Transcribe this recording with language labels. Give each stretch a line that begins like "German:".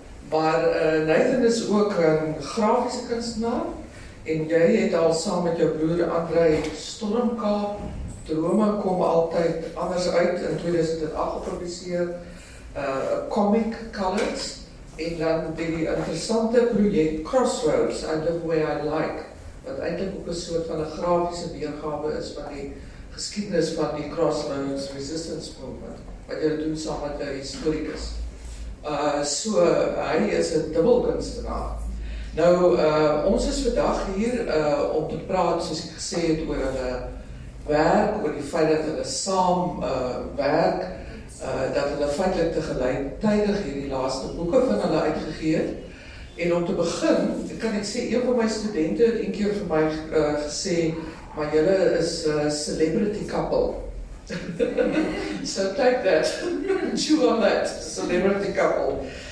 Afrikaans: Maar Nathan is ook een grafiese kunstenaar en jy het al saam met jou broer André Stormkaap, Drome kom altyd anders uit in 2008 gepubliseer, Comic Colors en dan die interessante project Crossroads, I Live Where I Like, wat eintlik ook een soort van een grafiese weergawe is van die geskiedenis van die Crossroads Resistance Movement, wat jy doen saam met jou historicus. So, hy is een dubbel kunstenaar. Nou, ons is vandag hier om te praat, soos ek gesê het, oor hulle werk, oor die feit dat hulle saam werk, dat hulle feitlik tegelijk tydig hierdie laaste boeken van hulle uitgegee het. En om te begin, kan ek sê, een van my studenten het een keer vir my gesê, maar julle is celebrity couple.
English: So take that, chew on that, celebrity couple.